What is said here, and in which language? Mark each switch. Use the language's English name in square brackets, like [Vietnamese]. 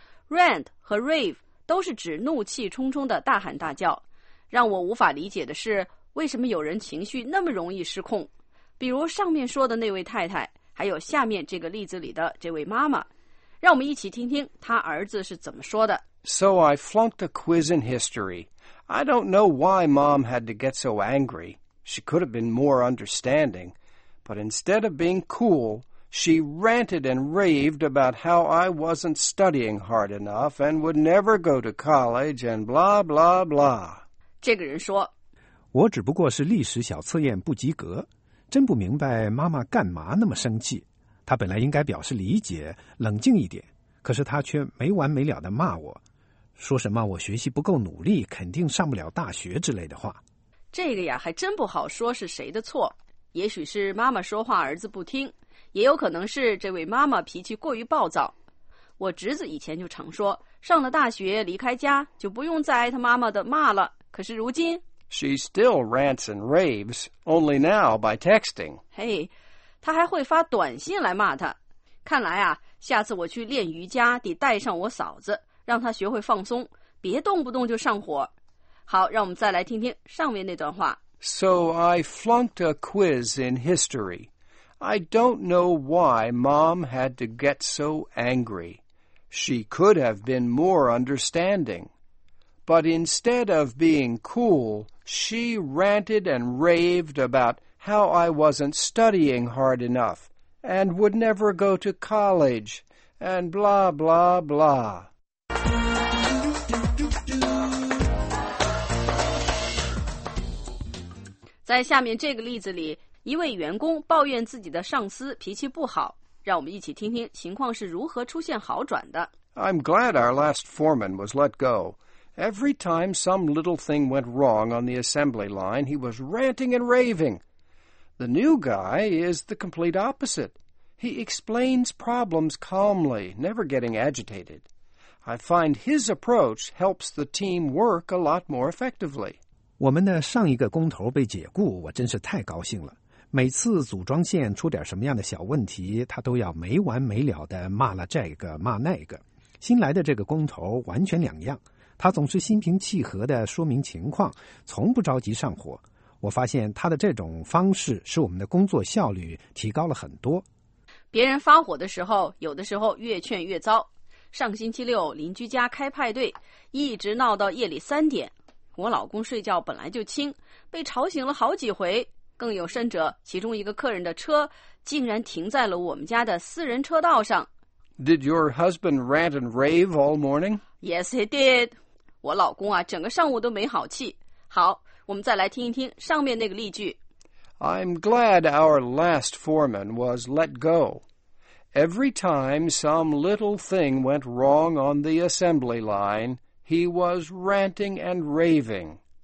[Chinese] Rant 和 rave 都是指怒气冲冲的大喊大叫。让我无法理解的是，为什么有人情绪那么容易失控？比如上面说的那位太太，还有下面这个例子里的这位妈妈。让我们一起听听他儿子是怎么说的。 [English] So I flunked a quiz in history. I don't know why Mom had to get so angry. She could have been more understanding. But instead of being cool, she ranted and raved about how I wasn't studying hard enough and would never go to college and blah, blah, blah. [Chinese] 这个人说，我只不过是历史小测验不及格，真不明白妈妈干嘛那么生气。她本来应该表示理解，冷静一点，可是她却没完没了地骂我，说什么我学习不够努力，肯定上不了大学之类的话。这个呀，还真不好说是谁的错。也许是妈妈说话儿子不听，也有可能是这位妈妈脾气过于暴躁。我侄子以前就常说，上了大学离开家就不用再挨他妈妈的骂了。可是如今 [English] She still rants and raves, only now by texting. [Chinese] 嘿，他还会发短信来骂他。看来啊，下次我去练瑜伽得带上我嫂子，让他学会放松，别动不动就上火。好，让我们再来听听上面那段话。 [English] So I flunked a quiz in history. I don't know why Mom had to get so angry. She could have been more understanding. But instead of being cool, she ranted and raved about how I wasn't studying hard enough and would never go to college and blah, blah, blah. [Chinese] 在下面这个例子里，一位员工抱怨自己的上司脾气不好，让我们一起听听情况是如何出现好转的。 [English] I'm glad our last foreman was let go. Every time some little thing went wrong on the assembly line, he was ranting and raving. The new guy is the complete opposite. He explains problems calmly, never getting agitated. I find his approach helps the team work a lot more effectively. [Chinese] 我们的上一个工头被解雇，我真是太高兴了。每次组装线出点什么样的小问题，他都要没完没了地骂了这个骂那个。新来的这个工头完全两样，他总是心平气和地说明情况，从不着急上火。我发现他的这种方式使我们的工作效率提高了很多。别人发火的时候，有的时候越劝越糟。上星期六邻居家开派对，一直闹到夜里三点。我老公睡觉本来就轻，被吵醒了好几回。更有甚者，其中一个客人的车竟然停在了我们家的私人车道上。 [English] Did your husband rant and rave all morning? Yes, he did. [Chinese] 我老公啊，整个上午都没好气。好，我们再来听一听上面那个例句。 [English] I'm glad our last foreman was let go. Every time some little thing went wrong on the assembly line, he was ranting and raving.